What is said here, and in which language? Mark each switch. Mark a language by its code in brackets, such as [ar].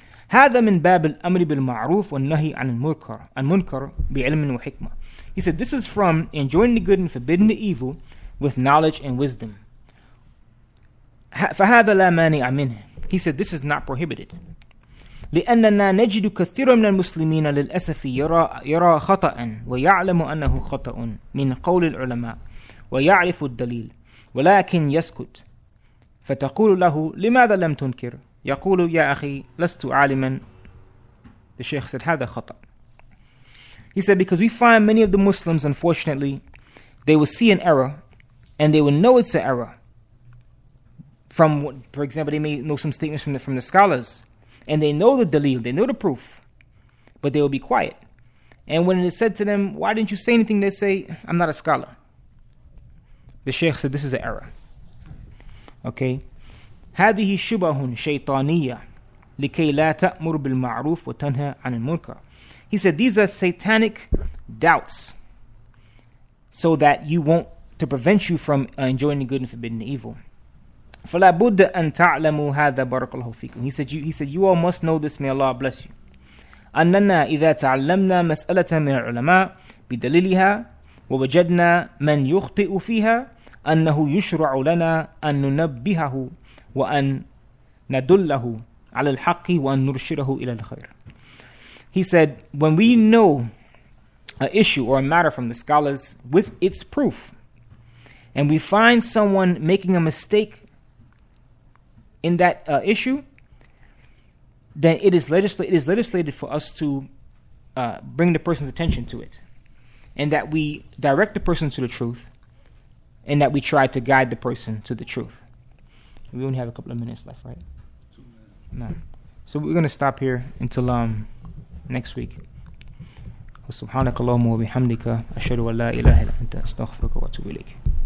[ar] هَذَا مِنْ بَابِ الْأَمْرِ بِالْمَعْرُوفِ وَالنَّهِي عَنِ الْمُنْكَرِ بِعِلْمٍ وَحِكْمَةٍ. [en] He said, this is from enjoying the good and forbidding the evil with knowledge and wisdom. [ar] فَهَذَا لَا مَانِعَ مِنْهِ. [en] He said, this is not prohibited. [ar] لأننا نجد كثيرا من المسلمين للأسف يرى خطأ ويعلم أنه خطأ من قول العلماء ويعرف الدليل ولكن يسكت فتقول له لماذا لم تنكر يقول يا أخي لست عالما. [en] The Sheikh said [ar] هذا خطأ. [en] He said, because we find many of the Muslims, unfortunately, they will see an error and they will know it's an error, from, for example, they may know some statements from the scholars, and they know the dalil, they know the proof, but they will be quiet. And when it is said to them, why didn't you say anything? They say, I'm not a scholar. The sheikh said, this is an error. Okay. [ar] هذه شبه شيطانية لكي لا تأمر بالمعروف وتنهى عن المنكر. [en] He said, these are satanic doubts so that you won't, to prevent you from enjoying the good and forbidden the evil. [ar] فلابد أن تعلموا هذا بارك الله فيكم. [en] He said, you all must know this, may Allah bless you. [ar] أننا إذا تعلمنا مسألة من العلماء بدليلها ووجدنا من يخطئ فيها أنه يشرع لنا أن ننبهه وأن ندله على الحق وأن نرشده إلى الخير. [en] He said, when we know an issue or a matter from the scholars with its proof, and we find someone making a mistake in that issue, then it is legislated for us to bring the person's attention to it, and that we direct the person to the truth, and that we try to guide the person to the truth. We only have a couple of minutes left, right? 2 minutes. No. So we're going to stop here until next week. [ar] سبحانك اللهم وبحمدك أشهد أن لا إله إلا أنت أستغفرك وأتوب إليك.